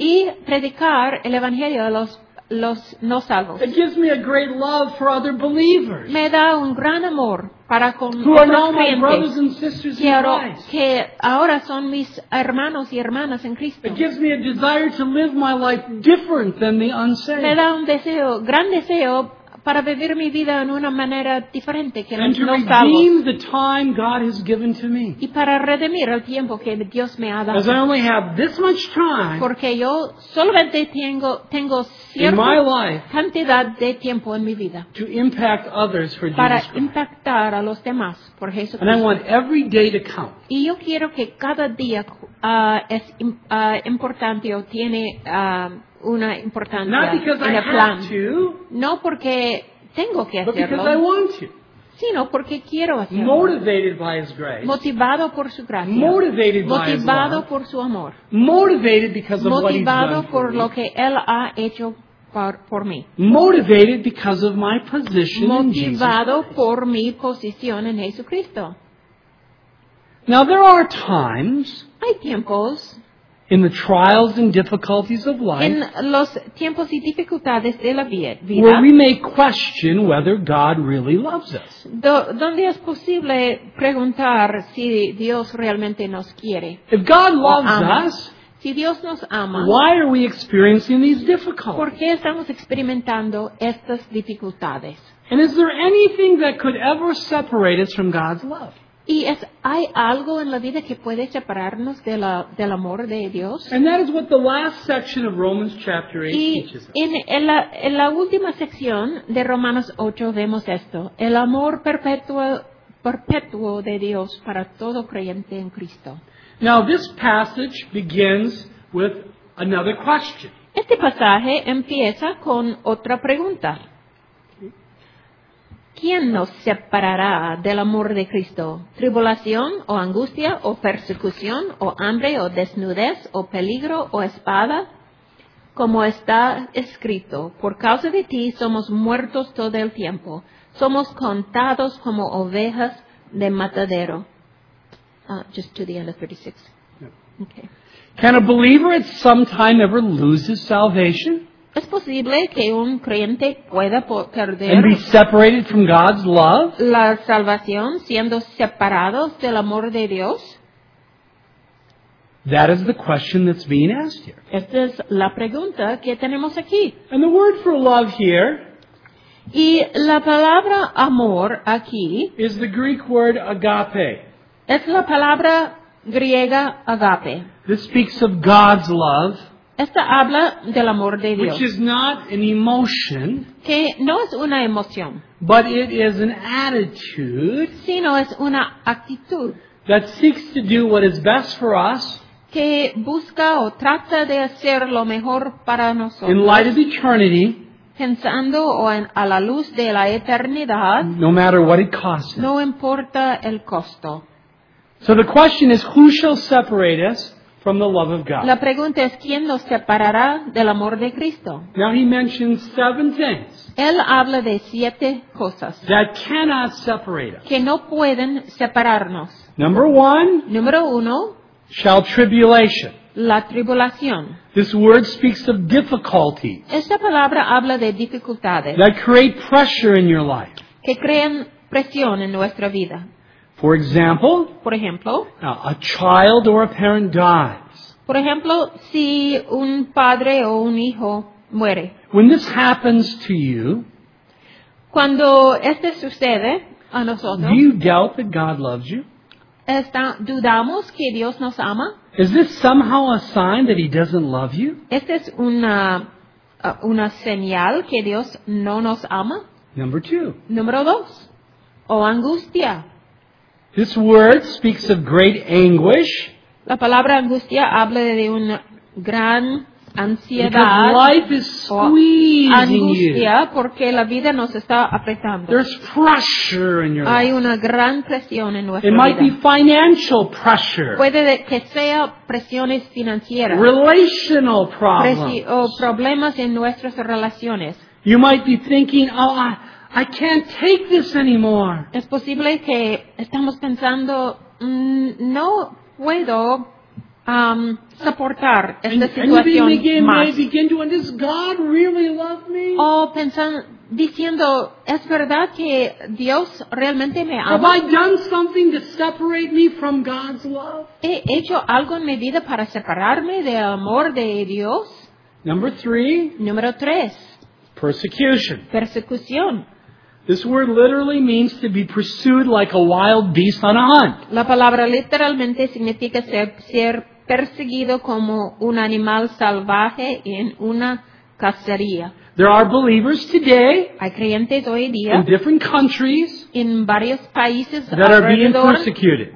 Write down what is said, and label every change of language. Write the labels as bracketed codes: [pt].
[es] Y predicar el Evangelio a los no salvos. [en] It gives me a great love for other believers. [es] Me da un gran amor. Para con [en] who are now my brothers and sisters in Christ. [es] Que ahora son mis hermanos y hermanas en Cristo. [en] It gives me a desire to live my life different than the unsaved. [es] Me da un deseo, gran deseo, para vivir mi vida en una manera diferente que [en] and [es] los no salvos. [en] Redeem the time God has given to me. [es] Y para redimir el tiempo que Dios me ha dado. [en] As I only have this much time. [es] Porque yo solamente tengo [en] in my life, [es] cantidad de tiempo en mi vida [en] to impact others for [es] para [en] Jesus [es] impactar a los demás por Jesucristo. [en] And I want every day to count. [es] Y yo quiero que cada día es importante o tiene una importancia [en] not because [es] en [en] I [es] el plan. [en] Have to, [es] no porque tengo que hacerlo, [en] but because I want to. [es] Sino porque quiero hacerlo. [en] Motivated by his grace. [es] Motivado por su gracia. [en] Motivated [es] motivado [en] by his [es] por [en] love. [es] Su amor. [en] Motivated because of [es] motivado [en] what he's done [es] por [en] for [es] lo [en] me. [es] Que él ha hecho por mí. [en] Motivated because of my position [es] motivado [en] in Jesus. [es] Motivado por mi posición en Jesucristo. [en] Now there are times [es] hay tiempos [en] in the trials and difficulties of life [es] en los tiempos y dificultades de la vida [en] where we may question whether God really loves us. [es] Donde es posible preguntar si Dios realmente nos quiere. [en] If God loves us, [es] si Dios nos ama, [en] why are we experiencing these difficulties? [es] ¿Por qué estamos experimentando estas dificultades? [en] And is there anything that could ever separate us from God's love? [es] ¿Y hay algo en la vida que puede separarnos del amor de Dios? [en] And that is what the last section of Romans chapter 8 [es] y [en] teaches us. [es] En la última sección de Romanos 8 vemos esto. El amor perpetuo perpetuo de Dios para todo creyente en Cristo. [en] Now this passage begins with another question. [es] Este pasaje empieza con otra pregunta. ¿Quién nos separará del amor de Cristo? ¿Tribulación o angustia o persecución o hambre o desnudez o peligro o espada? Como está escrito, por causa de ti somos muertos todo el tiempo. Somos contados como ovejas de matadero. [en] Just to the end of 36. Okay. Can a believer at some time ever lose his salvation? [es] ¿Es posible que un creyente pueda perder [en] and be separated from God's love? [es] La salvación siendo separados del amor de Dios? [en] That is the question that's being asked here. [es] Esta es la pregunta que tenemos aquí. [en] And the word for love here, [es] y la palabra amor aquí, [en] is the Greek word agape. [es] Es la palabra griega agape. [en] This speaks of God's love. [es] Esta habla del amor de Dios. [en] Which is not an emotion. [es] Que no es una emoción. [en] But it is an attitude. [es] Sino es una actitud. [en] That seeks to do what is best for us. [es] Que busca o trata de hacer lo mejor para nosotros. [en] In light of eternity. [es] Pensando o a la luz de la eternidad. [en] No matter what it costs. [es] No importa el costo. [en] So the question is, who shall separate us from the love of God? [es] La pregunta es, ¿quién nos separará del amor de Cristo? [en] Now he mentions seven things. [es] Él habla de siete cosas. [en] That cannot separate us. [es] Que no pueden separarnos. [en] Number one. [es] Número uno. [en] Shall tribulation. [es] La tribulación. [en] This word speaks of difficulties. [es] Esta palabra habla de dificultades. [en] That create pressure in your life. [es] Que crean presión en nuestra vida. [en] For example, [es] por ejemplo, [en] a child or a parent dies. [es] Por ejemplo, si un padre o un hijo muere. [en] When this happens to you, [es] cuando este sucede a nosotros, [en] do you doubt that God loves you? [es] ¿Dudamos que Dios nos ama? [en] Is this somehow a sign that He doesn't love you? [es] ¿Esta es una señal que Dios no nos ama? [en] Number two. [es] Número dos. O angustia. [en] This word speaks of great anguish. [es] La palabra angustia habla de una gran ansiedad. [en] Because life is squeezing [es] angustia [en] you. [es] Angustia porque la vida nos está apretando. [en] There's pressure in your [es] Hay [en] life. [es] Hay una gran presión en nuestra [en] It [es] vida. [en] It might be financial pressure. [es] Puede que sea presiones financieras. [en] Relational problems. [es] O problemas en nuestras relaciones. [en] You might be thinking, oh, I can't take this anymore. [es] Es posible que estamos pensando, no puedo soportar esta situación más. [en] Begin to wonder, does God really love me? [es] O diciendo, ¿es verdad que Dios realmente me ama? [en] Have I done something to separate me from God's love? [es] ¿He hecho algo en mi vida para separarme del amor de Dios? [en] Number three. [es] Número tres. [en] Persecution. [es] Persecución. [en] This word literally means to be pursued like a wild beast on a hunt. [es] La palabra literalmente significa ser perseguido como un animal salvaje en una cacería. [en] There are believers today [es] Hay creyentes hoy día [en] in different countries [es] en varios países [en] that are being persecuted.